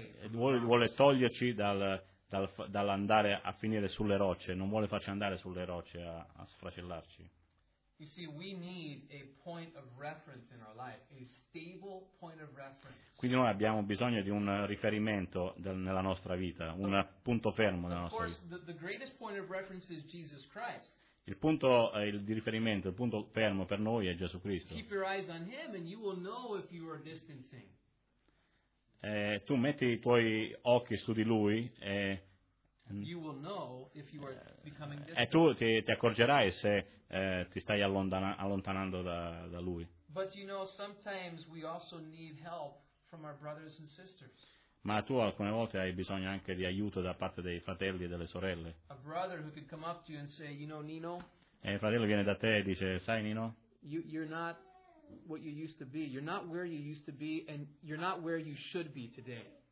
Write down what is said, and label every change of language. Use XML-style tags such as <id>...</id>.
<it>Vuole toglierci dall'andare a finire sulle rocce, non vuole farci andare sulle rocce a sfracellarci.</it> <en>You see, we need a point of reference in our life, a stable point of reference.</en> <it>Quindi noi abbiamo bisogno di un riferimento nella nostra vita, un punto fermo nella nostra vita.</it> <en>Of course, the greatest point of reference is Jesus Christ.</en> <it>Il punto di riferimento, il punto fermo per noi è Gesù Cristo.</it> <en>Keep your eyes on him and you will know if you are distancing.</en> <it>Tu metti i tuoi occhi su di lui e</it> <en>you will know if you are becoming distant.</en> <it>E tu ti accorgerai se ti stai allontanando da lui.</it> <en>But you know, sometimes we also need help from our brothers and sisters.</en> <it>Ma tu alcune volte hai bisogno anche di aiuto da parte dei fratelli e delle sorelle.</it> <en>A brother who could come up to you and say, you know, Nino.</en> <it>E il fratello viene da te e dice, sai Nino?</it> <en>You're not what you used to be. You're not where you used to be, and you're not where you should be today.</en>